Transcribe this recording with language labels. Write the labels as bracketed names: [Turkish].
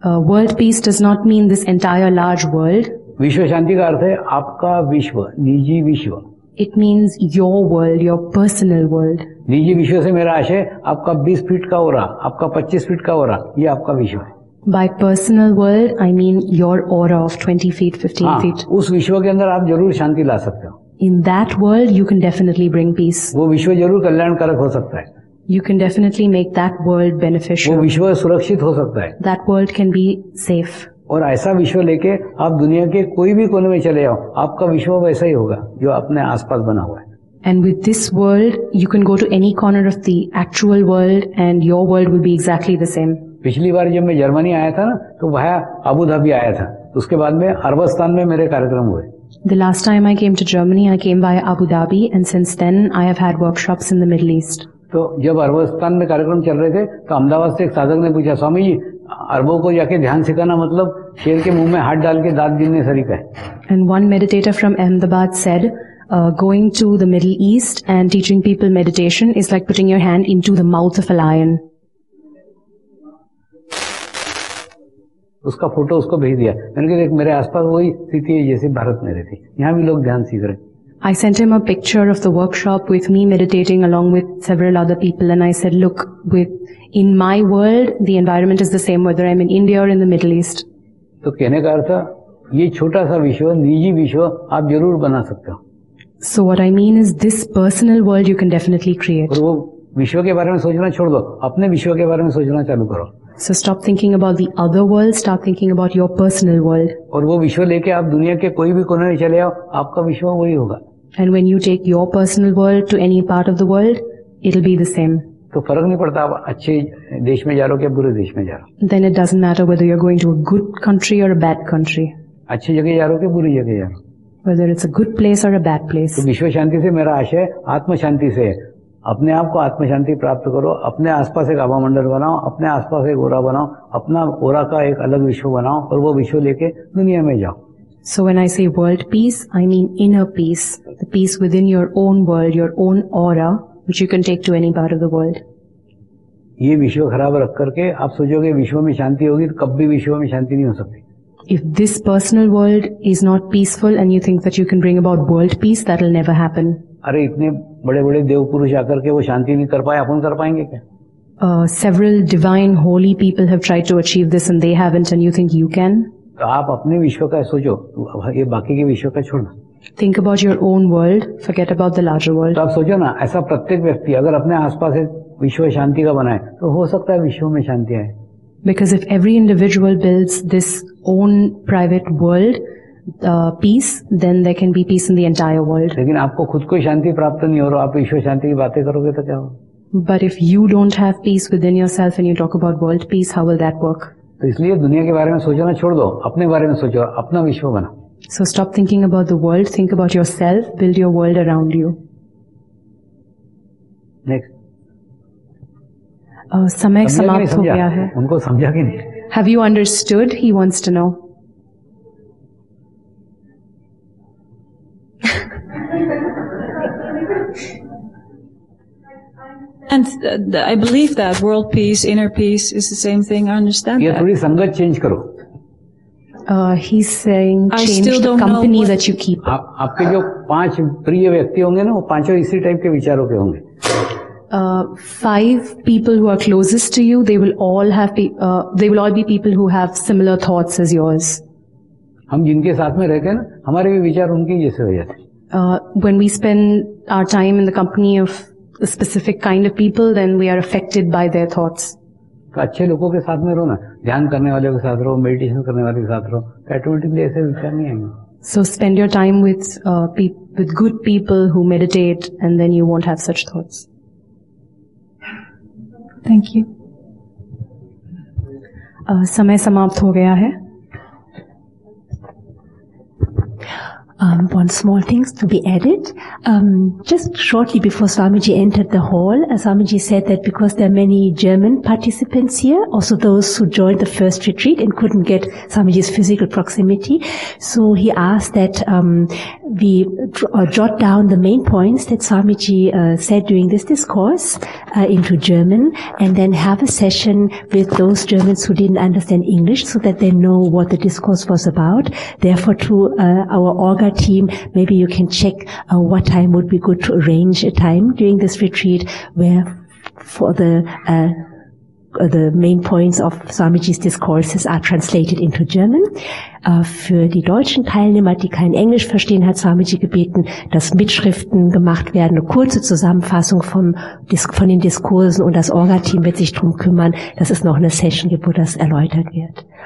[English] World peace does not mean this entire large world. [Hindi] विश्व शांति का अर्थ है आपका विश्व, निजी विश्व. [English] It means your world, your personal world. [Hindi] निजी विश्व से मेरा आशय आपका 20 फीट का हो रहा, आपका 25 फीट का हो रहा, ये आपका विश्व है. [English] By personal world, I mean your aura of 20 feet, 15 feet. [Hindi] उस विश्व के अंदर आप जरूर शांति ला सकते हो. [English] In that world, you can definitely bring peace. [Hindi] वो विश्व जरूर कल्याणकारक हो सकता है. [English] You can definitely make that world beneficial. [Hindi] वो विश्व सुरक्षित हो सकता है. [English] That world can be safe. [Hindi] और ऐसा विश्व लेके आप दुनिया के कोई भी कोने में चले जाओ, आपका विश्व वैसा ही होगा जो अपने आसपास बना हुआ है. [English] And with this world, you can go to any corner of the actual world, and your world will be exactly the same. [Hindi] पिछली बार जब मैं जर्मनी आया था ना, तो वहाँ अबू धाबी आया था. उसके बाद में अरबस्तान में मेरे कार्यक्रम हुए. [English] The last time I came to Germany, I came via Abu Dhabi, and since then I have had workshops in the Middle East. [Hindi] तो जब अरबस्तान में कार्यक्रम चल रहे थे, तो अहमदाबाद से एक साधक ने पूछा, स्वामी जी अरबों को जाके ध्यान सिखाना मतलब शेर के मुंह में हाथ डाल के दांत गिनने सरीका है. [English] And one meditator from Ahmedabad said, going to the Middle East and teaching people meditation is like putting your hand into the mouth of a lion. [Hindi] उसका फोटो उसको भेज दिया. मैंने कहा देख मेरे आसपास वही स्थिति है जैसे भारत में रहती, यहाँ भी लोग ध्यान सीख रहे. [English] I sent him a picture of the workshop with me meditating along with several other people and I said look with in my world the environment is the same whether I'm in India or in the Middle East. [Hindi] तो कहने का अर्थ ये छोटा सा विश्व, निजी विश्व आप जरूर बना सकते हो. [English] So what I mean is this personal world you can definitely create. [Hindi] और वो विश्व के बारे में सोचना छोड़ दो, अपने विश्व के बारे में सोचना चालू करो. [English] So stop thinking about the other world, start thinking about your personal world. [Hindi] और वो विश्व लेके आप दुनिया के कोई भी कोने में चले आओ, आपका विश्व वही होगा. [English] And when you take your personal world to any part of the world, it'll be the same. [Hindi] तो फर्क नहीं पड़ता आप अच्छे देश में जा रहे हो या बुरे देश में जा रहे हो. [English] Then it doesn't matter whether you're going to a good country or a bad country. [Hindi] अच्छे जगह जा रहे हो या बुरी जगह जा रहे हो. [English] Whether it's a good place or a bad place. [Hindi] तो विश्व शांति से मेरा आशय आत्मशांति से, अपने आप को आत्मशांति प्राप्त करो, अपने आसपास एक आभा मंडल बनाओ, अपने आसपास एक ओरा बनाओ, अपना ओरा का एक अलग विश्व बनाओ और वो विश्व लेके दुनिया में जाओ. [English] So when I say world peace, I mean inner peace, the peace within your own world, your own aura, which you can take to any part of the world. [Hindi] ये विश्व खराब रख करके आप सोचोगे विश्व में शांति होगी, तो कभी विश्व में शांति नहीं हो सकती. [English] If this personal world is not peaceful and you think that you can bring about world peace, that'll never happen. [Hindi] अरे इतने बड़े बड़े देव पुरुष आकर के वो शांति नहीं कर पाए, अपन कर पाएंगे क्या? [English] several divine holy people have tried to achieve this and they haven't, and you think you can? [Hindi] आप अपने विश्व का सोचो, ये बाकी के विश्व का छोड़ना. [English] Think about your own world, forget about the larger world. [Hindi] तो आप सोचो ना, ऐसा प्रत्येक व्यक्ति अगर अपने आसपास विश्व शांति का बनाए तो हो सकता है विश्व में शांति आए. [English] Because if every individual builds this own private world, peace, then there can be peace in the entire world. [Hindi] लेकिन आपको खुद को शांति प्राप्त नहीं हो रहा, आप विश्व शांति की बातें करोगे तो क्या हो? [English] But if you don't have peace within yourself and you talk about world peace, how will that work? [Hindi] तो इसलिए दुनिया के बारे में सोचना छोड़ दो, अपने बारे में सोचो, अपना विश्व बना. [English] So stop thinking about the world, think about yourself, build your world around you. Next. [Hindi] समय समाप्त हो गया है. उनको समझा कि नहीं? [English] Have you understood? He wants to know. And I believe that world peace, inner peace is the same thing. I understand [Hindi] that. थोड़ी संगत चेंज करो. [English] He's saying change the company that you keep. [Hindi] आपके जो पांच प्रिय व्यक्ति होंगे ना, वो पांचों इसी टाइप के विचारों के होंगे. [English] Five people who are closest to you, they will all have they will all be people who have similar thoughts as yours. [Hindi] हम जिनके साथ में रहते हैं ना, हमारे भी विचार उनके जैसे हो जाते हैं. [English] When we spend our time in the company of a specific kind of people, then we are affected by their thoughts. [Hindi] अच्छे लोगों के साथ में रहो ना, ध्यान करने वाले के साथ रहो, मेडिटेशन करने वाले के साथ रहो, ऑटोमेटिकली ऐसे विचार नहीं आएंगे. [English] So spend your time with with good people who meditate, and then you won't have such thoughts. Thank you. [Hindi] समय समाप्त हो गया है. [English] One small thing to be added. Just shortly before Swamiji entered the hall, Swamiji said that because there are many German participants here, also those who joined the first retreat and couldn't get Swamiji's physical proximity, so he asked that we jot down the main points that Swamiji said during this discourse into German, and then have a session with those Germans who didn't understand English so that they know what the discourse was about. Therefore, to our organ team, maybe you can check what time would be good to arrange a time during this retreat where for the main points of Swamiji's discourses are translated into German. [German] Für die deutschen Teilnehmer, die kein Englisch verstehen, hat Swamiji gebeten, dass Mitschriften gemacht werden, eine kurze Zusammenfassung von den Diskursen, und das Orga-Team wird sich darum kümmern, dass es noch eine Session gibt, wo das erläutert wird.